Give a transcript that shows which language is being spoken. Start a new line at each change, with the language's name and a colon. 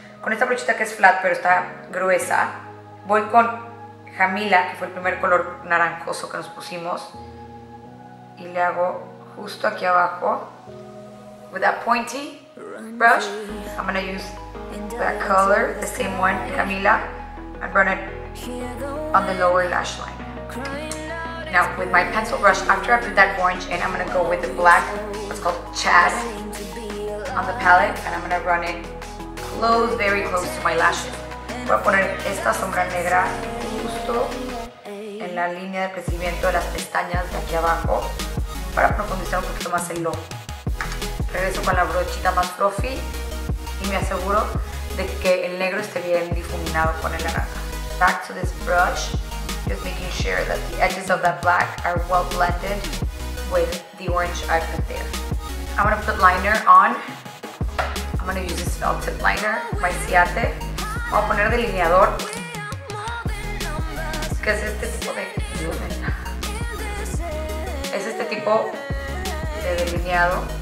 Spanish: Con esta brochita que es flat pero está gruesa, voy con Jamila, que fue el primer color naranjoso que nos pusimos, y le hago justo aquí abajo.
English: With that pointy brush, I'm gonna use that color, the same one, Jamila, and run it on the lower lash line. Now, with my pencil brush, after I put that orange in, I'm gonna go with the black, what's called Chaz, on the palette, and I'm gonna run it close, very close to my lashes.
Spanish: Voy a poner esta sombra negra justo en la línea de crecimiento de las pestañas de aquí abajo para profundizar un poquito más el ojo. Regreso con la brochita más fluffy y me aseguro de que el negro esté bien difuminado con el naranja.
English: Back to this brush, just making sure that the edges of that black are well blended with the orange I put there. I'm gonna put liner on. I'm gonna use this felt tip liner by Ciate.
Spanish: Voy a poner delineador, que es este tipo de delineado